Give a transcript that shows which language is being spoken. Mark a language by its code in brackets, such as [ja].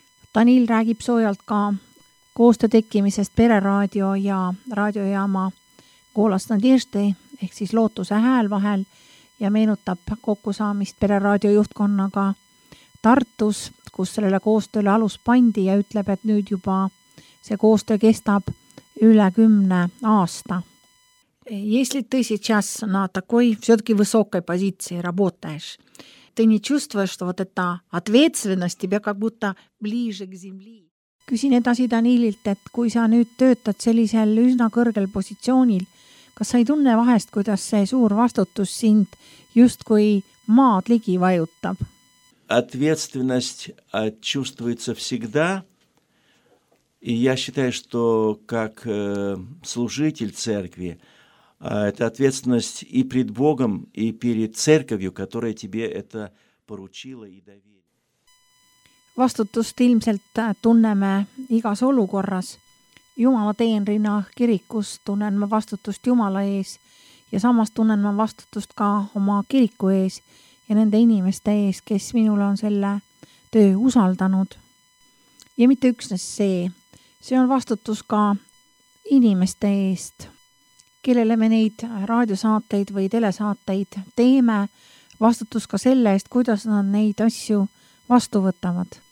[et] Daniil räägib soojalt ka koostöö tekkimisest pereraadio ja raadiojaama Koolas Nadežde, ehk siis Lootuse hääl vahel ja meenutab kokkusaamist pereraadio juhtkonnaga Tartus, kus sellele koostööle alus pandi ja ütleb, et nüüd juba see koostöö kestab üle 10 aasta. [ru] Если ты сейчас на такой все-таки высокой позиции работаешь, ты не чувствуешь, что вот эта ответственность тебе как будто ближе к земле? [et] Küsin edasi Danililt, et kui sa nüüd töötad sellisel üsna kõrgel positsioonil, kas sa ei tunne vahest, kuidas see suur vastutus sind just kui maad ligi vajutab? [ru] Ответственность чувствуется всегда. И я считаю, что как служитель церкви, это ответственность и перед Богом, и перед церковью, которая тебе это поручила и доверила. [et] Vastutust ilmselt tunneme igas olukorras. Jumala teenrina kirikus tunnen ma vastutust Jumala ees ja samas tunnen ma vastutust ka oma kiriku ees ja nende inimeste ees, kes minul on selle töö usaldanud. Ja mitte üksnes see, see on vastutus ka inimeste eest, kellele me neid raadiosaateid või telesaateid teeme, vastutus ka selle eest, kuidas nad neid asju vastu võtavad.